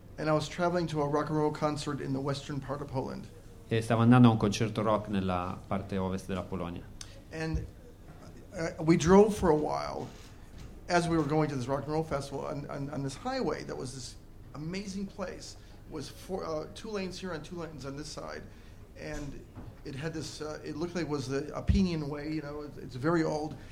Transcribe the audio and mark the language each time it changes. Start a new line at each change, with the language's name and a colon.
English: And I was traveling to a rock and roll concert in the western part of Poland.
Italian: E stavo andando a un concerto rock nella parte ovest della Polonia.
English: And we drove for a while as we were going to this rock and roll festival on this highway that was this amazing place. It was two lanes here and two lanes on this side. And it had this, it looked like it was the Opinion Way, you know, it's very old.